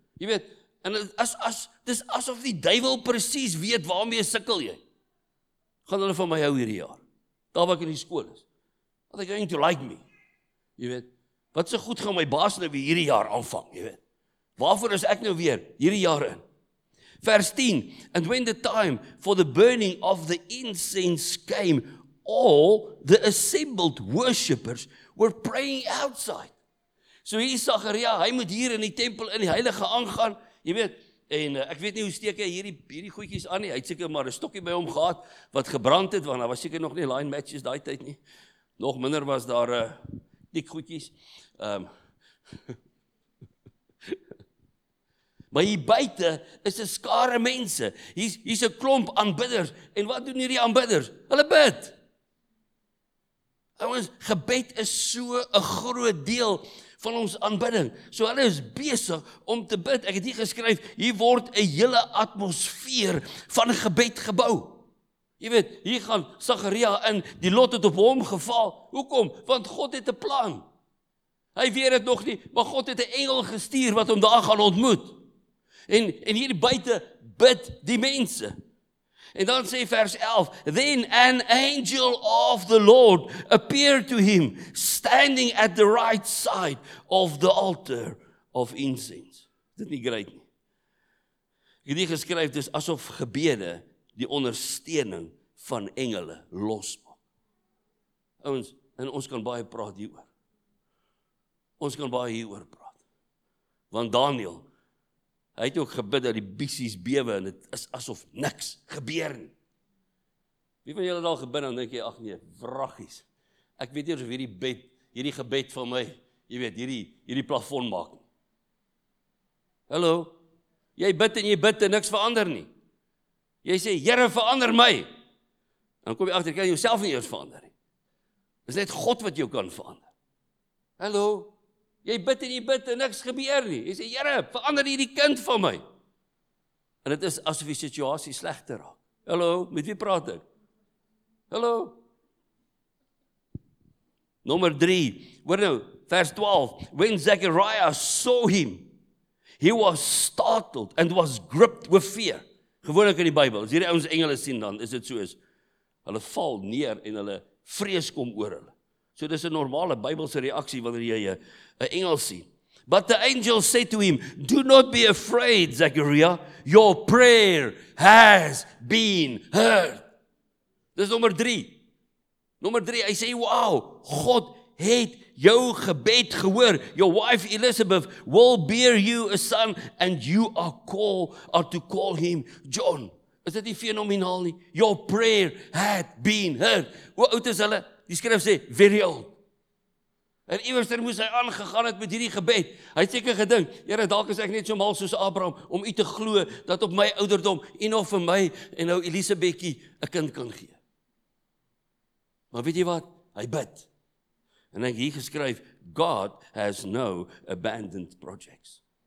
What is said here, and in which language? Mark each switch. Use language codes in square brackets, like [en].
[af] Jy weet, en as dis asof die duiwel presies weet waarmee sukkel jy. Gaan hulle van my hou hierdie jaar. Daar waar ek in die skool is. Want ek going to like me. Jy weet, wat so goed gaan my baas nou weer hierdie jaar aanvang, jy weet. Waarvoor is ek nou weer hierdie jaar in? [en] Vers 10, and when the time for the burning of the incense came, all the assembled worshippers were praying outside. [af] So hier is Sagaria, hy moet hier in die tempel in die heilige aangaan, jy weet, en ek weet nie hoe steek hy hierdie goedjies aan nie, hy het seker maar 'n stokkie by hom gehad, wat gebrand het, want daar was seker nog nie line matches daai tyd nie, nog minder was daar die goedjies. Maar hier buite is 'n skare mense. Hier's 'n klomp aanbidders. En wat doen hierdie aanbidders? Hulle bid. Ouens, gebed is so 'n groot deel van ons aanbidding. So hulle is besig om te bid. Ek het hier geskryf, hier word 'n hele atmosfeer van gebed gebou. Jy weet, hier gaan Sagaria in, die lot het op hom geval. Hoekom? Want God het 'n plan. Hy weet het nog nie, maar God het 'n engel gestuur wat hom daar gaan ontmoet. En hier buite bid die mense. [en] En dan sê vers 11, then an angel of the Lord appeared to him, standing at the right side of the altar of incense. [af] Dit nie great nie. Ek het nie geskryf, dis asof gebede die ondersteuning van engele losmaak. Ouens, en ons kan baie praat hieroor. Ons kan baie hieroor praat. Want Daniel, hy het ook gebid dat die biesies bewe en dit is asof niks gebeur nie. Wie van julle het al gebid en dink jy, ag nee, wraggies. Ek weet nie of hierdie gebed van my, jy weet, hierdie plafon maak. Hallo, jy bid en jy bid en niks verander nie. Jy sê, Here, verander my. Dan kom jy achter, kan jy jouself nie eers verander. Dit is net God wat jou kan verander. Hallo, jy bid en jy bid en niks gebeur nie. Jy sê, Here, verander hierdie kind van my. En dit is asof die situasie slegter raak. Hallo, met wie praat ek? Hallo. Nommer 3, hoor nou, vers 12. [en] When Zechariah saw him, he was startled and was gripped with fear. [af] Gewoonlik in die Bybel, as hierdie ouens engele sien, dan is dit soos, hulle val neer en hulle vrees kom oor hulle. So dis 'n normale Bybelse reaksie wanneer jy 'n engel sien. [en] But the angel said to him, do not be afraid, Zechariah, your prayer has been heard. [af] Dis nommer 3. Nommer 3, hy sê, wow, God het jou gebed gehoor. [en] Your wife Elizabeth will bear you a son and you are to call him John. [af] Is dit nie fenomenaal nie? [en] Your prayer had been heard. [af] Hoe oud is hulle? Die skrif sê, [en] very old. [af] En iewerster moes hy aangegaan het met hierdie gebed. Hy het seker gedink, Here, dalk is ek net so mal soos Abraham om u te glo dat op my ouderdom u nog vir my en nou Elisabetjie 'n kind kan gee. Maar weet jy wat? Hy bid. En ek hier geskryf, [en] God has no abandoned projects.